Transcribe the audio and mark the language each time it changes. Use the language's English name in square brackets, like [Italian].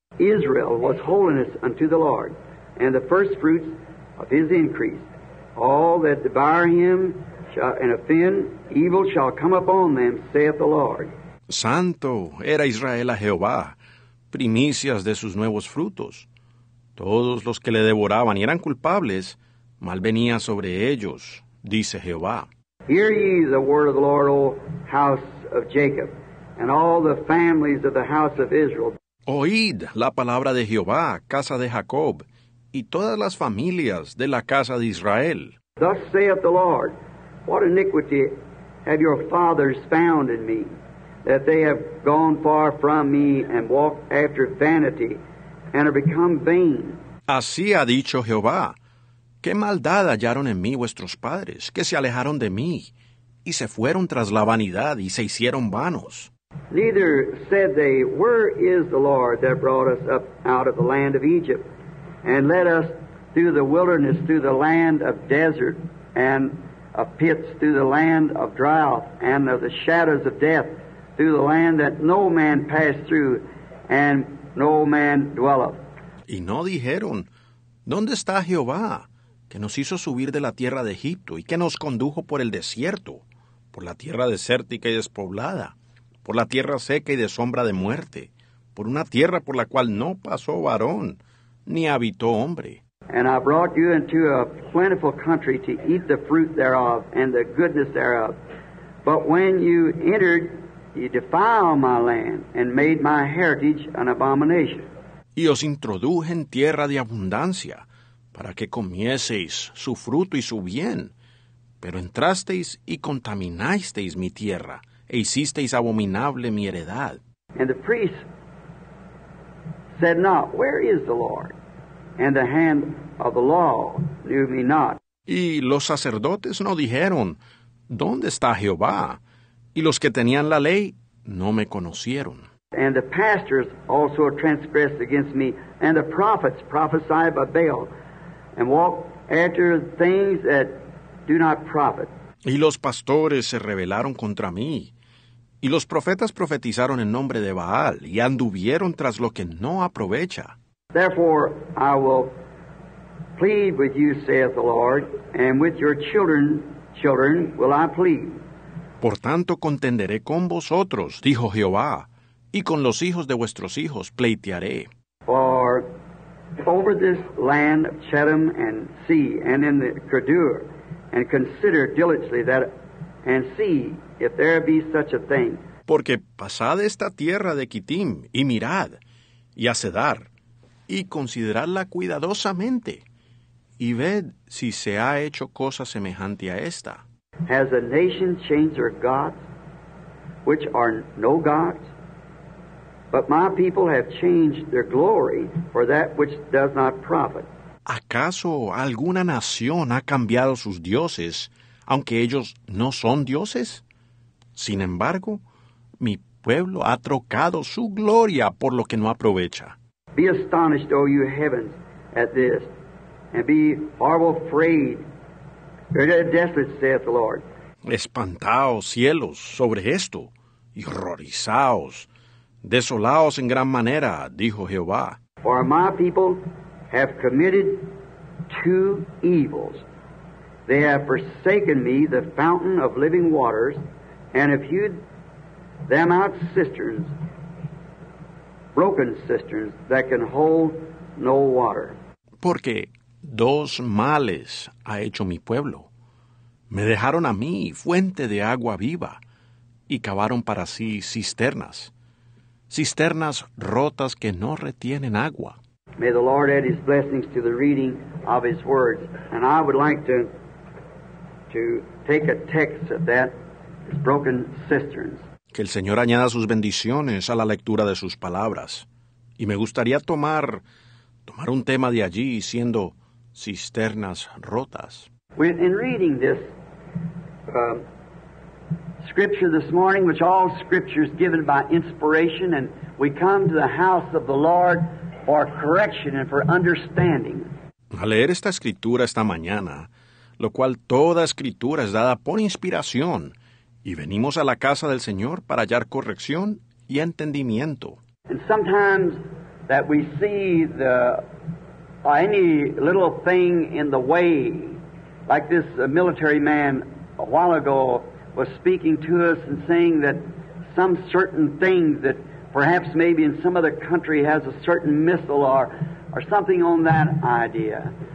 [English] Israel was holiness unto the Lord, and the first fruits of his increase. All that devour him and offend, evil shall come upon them, saith the Lord. [Spanish] Santo era Israel a Jehová, primicias de sus nuevos frutos. Todos los que le devoraban y eran culpables, mal venía sobre ellos, dice Jehová. [English] Hear ye the word of the Lord, O house of Jacob, and all the families of the house of Israel. [Spanish] Oíd la palabra de Jehová, casa de Jacob, y todas las familias de la casa de Israel. [English] Thus saith the Lord, what iniquity have your fathers found in me, that they have gone far from me and walked after vanity and are become vain? [Spanish] Así ha dicho Jehová, ¿qué maldad hallaron en mí vuestros padres, que se alejaron de mí, y se fueron tras la vanidad, y se hicieron vanos? [English] Neither said they, where is the Lord that brought us up out of the land of Egypt, and led us through the wilderness, through the land of desert, and of pits, through the land of drought, and of the shadows of death, through the land that no man passed through, and no man dwelleth? [Spanish] Y no dijeron, ¿dónde está Jehová, que nos hizo subir de la tierra de Egipto, y que nos condujo por el desierto, por la tierra desértica y despoblada, por la tierra seca y de sombra de muerte, por una tierra por la cual no pasó varón, ni habitó hombre? [English] And I brought you into a plentiful country to eat the fruit thereof and the goodness thereof. But when you entered, you defiled my land and made my heritage an abomination. [Spanish] Y os introduje en tierra de abundancia, para que comieseis su fruto y su bien. Pero entrasteis y contaminasteis mi tierra, e hicisteis abominable mi heredad. [English] And the priest said not, where is the Lord? And the hand of the law knew me not. [Spanish] Y los sacerdotes no dijeron, ¿dónde está Jehová? Y los que tenían la ley no me conocieron. [English] And the pastors also transgressed against me, and the prophets prophesied by Baal, and walked after things that do not profit. [Spanish] Y los pastores se rebelaron contra mí, y los profetas profetizaron en nombre de Baal, y anduvieron tras lo que no aprovecha. [English] Therefore I will plead with you, saith the Lord, and with your children will I plead. [Spanish] Por tanto contenderé con vosotros, dijo Jehová, y con los hijos de vuestros hijos pleitearé. [English] For over this land of Chedom and see, and in the Kedur, and consider diligently that, and see if there be such a thing. [Spanish] Porque pasad esta tierra de Kittim, y mirad, y acedar, y consideradla cuidadosamente, y ved si se ha hecho cosa semejante a esta. [English] Has a nation changed their gods, which are no gods? But my people have changed their glory for that which does not profit. [Spanish] ¿Acaso alguna nación ha cambiado sus dioses, aunque ellos no son dioses? Sin embargo, mi pueblo ha trocado su gloria por lo que no aprovecha. [English] Be astonished, O you heavens, at this, and be horrible afraid. You're desolate, saith the Lord. [Spanish] Espantaos, cielos, sobre esto, y horrorizaos, desolaos en gran manera, dijo Jehová. [English] For my people have committed two evils. They have forsaken me, the fountain of living waters, and have hewed them out cisterns, broken cisterns that can hold no water. [Spanish] Porque dos males ha hecho mi pueblo. Me dejaron a mí fuente de agua viva, y cavaron para sí cisternas, cisternas rotas que no retienen agua. [English] May the Lord add his blessings to the reading of his words. And I would like to take a text of that, broken cisterns. [Spanish] Que el Señor añada sus bendiciones a la lectura de sus palabras. Y me gustaría tomar un tema de allí, siendo cisternas rotas. [English] When in reading this scripture this morning, which all scripture is given by inspiration, and we come to the house of the Lord for correction and for understanding. [Spanish] Al leer esta escritura esta mañana, lo cual toda escritura es dada por inspiración, y venimos a la casa del Señor para hallar corrección y entendimiento. [English] And sometimes that we see the any little thing in the way, like this military man a while ago was speaking to us and saying that some certain things that perhaps maybe in some other country has a certain missile or something on that idea.